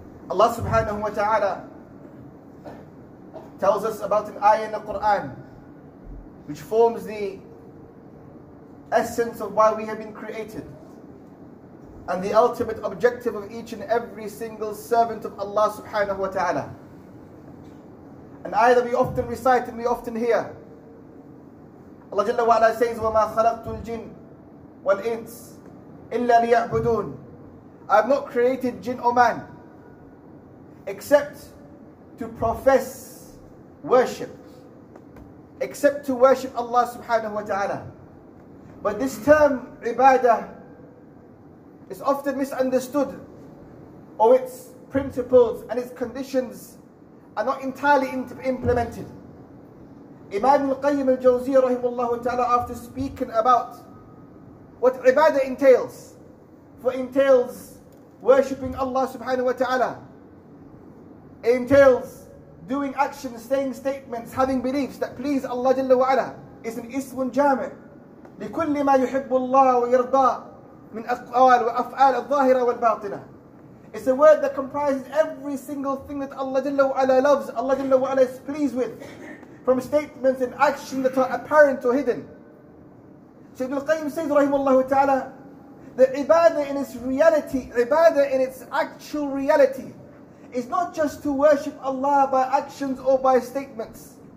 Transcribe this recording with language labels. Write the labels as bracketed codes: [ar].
[en] Allah subhanahu wa ta'ala tells us about an ayah in the Qur'an which forms the essence of why we have been created and the ultimate objective of each and every single servant of Allah subhanahu wa ta'ala. An ayah that we often recite and we often hear. Allah jalla wa ala says, [ar] وَمَا خَلَقْتُ الْجِنْ وَالْإِنْسِ إِلَّا لِيَعْبُدُونَ [en] I have not created jinn or man except to profess worship, except to worship Allah subhanahu wa ta'ala. But this term, ibadah, is often misunderstood, or its principles and its conditions are not entirely implemented. Imam al-Qayyim al-Jawziyyah rahimahullahu ta'ala, after speaking about what ibadah entails, for entails worshipping Allah subhanahu wa ta'ala, it entails doing actions, saying statements, having beliefs that please Allah Jalla wa Ala. It's an [ar] ismun jami' لكل ما يحب الله ويرضى من أقوال وأفعال الظاهرة والباطنة. [en] It's a word that comprises every single thing that Allah Jalla wa Ala loves, Allah Jalla wa Ala is pleased with, from statements and actions that are apparent or hidden. Shaykh al-Qayyim says, rahimahullah ta'ala, the ibadah in its reality, ibadah in its actual reality, is not just to worship Allah by actions or by statements.